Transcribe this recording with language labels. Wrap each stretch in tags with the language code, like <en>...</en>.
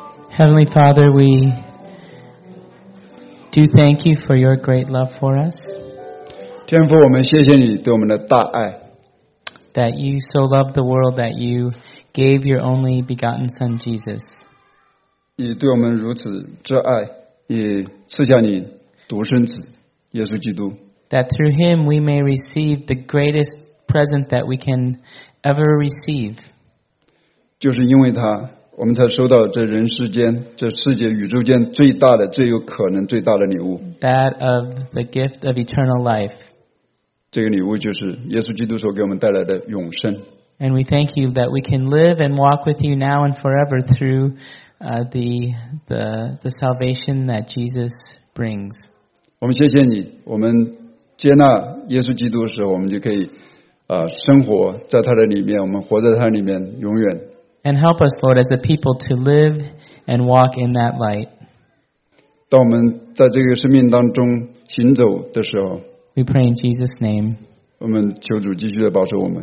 <en>Heavenly Father, we do thank you for your great love for us.</en> <zh>天父，我们谢谢你对我们的大爱。</zh> <en>That you so loved the world that you gave your only begotten Son Jesus.</en> <zh>你对我们如此挚爱，也赐下你独生子耶稣基督。</zh> <en>That through him we may receive the greatest present that we can ever receive.</en> <zh>就是因为他。我们才收到这人世间、这世界、宇宙间最大的、最有可能最大的礼物。</zh> <en>That of the gift of eternal life.</en> <zh>这个礼物就是耶稣基督所给我们带来的永生。</zh> <en>And we thank you that we can live and walk with you now and forever through the salvation that Jesus brings.</en> <zh>我们谢谢你，我们接纳耶稣基督的时候，我们就可以生活在他的里面，我们活在他里面永远。</zh> <en>And help us, Lord, as a people to live and walk in that light.</en> <zh>当我们在这个生命当中行走的时候</zh> <en>We pray in Jesus' name.</en> <zh>我们求主继续地保守我们</zh>